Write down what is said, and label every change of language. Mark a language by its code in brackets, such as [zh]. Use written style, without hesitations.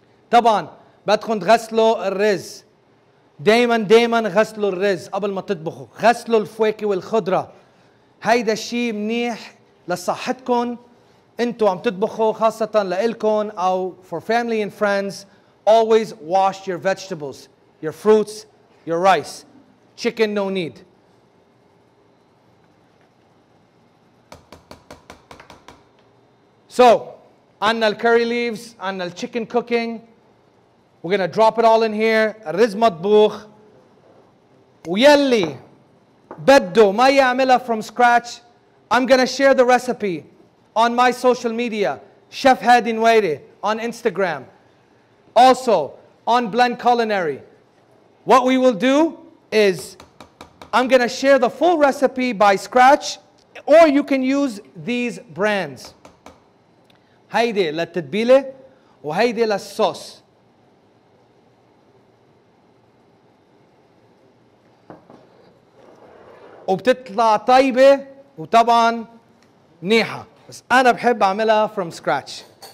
[ar] طبعا بدكم تغسلوا الرز. دايما دايما غسلوا الرز قبل ما تطبخوا، غسلوا الفواكه والخضرة. هيدا الشيء منيح لصحتكم انتوا عم تطبخوا خاصة لإلكم او [en] for family and friends. Always wash your vegetables, your fruits, your rice. Chicken, no need. So, [ar] عنا الكاري ليفز, عنا الشيكن كوكينج. [en] We're gonna drop it all in here. [ar] الرز مطبوخ. ويلي بده ما يعملها [en] from scratch, I'm gonna share the recipe on my social media, Chef Hadi Nwairi on Instagram. Also, on Blend Culinary, what we will do is I'm going to share the full recipe by scratch, or you can use these brands. [ar] هيدي للتتبيلة وهيدي للصوص. وبتطلع طيبة وطبعا منيحة، بس أنا بحب أعملها [en] from scratch.